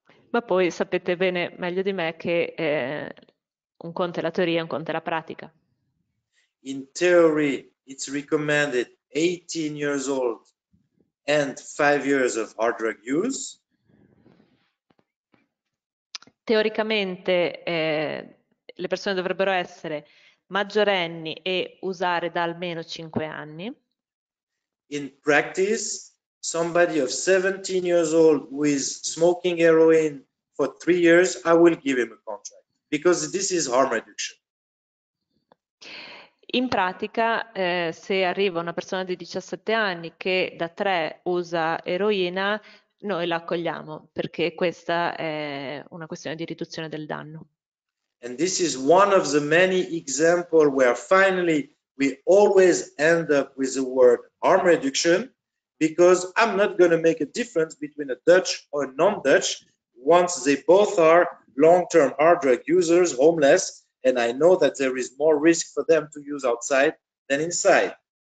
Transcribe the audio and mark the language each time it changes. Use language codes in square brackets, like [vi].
[it] Ma poi sapete bene, meglio di me, che un conto è la teoria, un conto è la pratica. [en] In theory, it's recommended 18 years old and 5 years of hard drug use. [it] Teoricamente, le persone dovrebbero essere maggiorenni e usare da almeno 5 anni. [en] In practice, somebody of 17 years old who is smoking heroin for 3 years, I will give him a contract because this is harm reduction. [it] In pratica, se arriva una persona di 17 anni che da 3 usa eroina, noi la accogliamo perché questa è una questione di riduzione del danno. [en] And this is one of the many examples where finally we always end up with the word harm reduction, because I'm not going to make a difference between a Dutch or a non-Dutch once they both are long-term hard drug users, homeless, and I know that there is more risk for them to use outside than inside.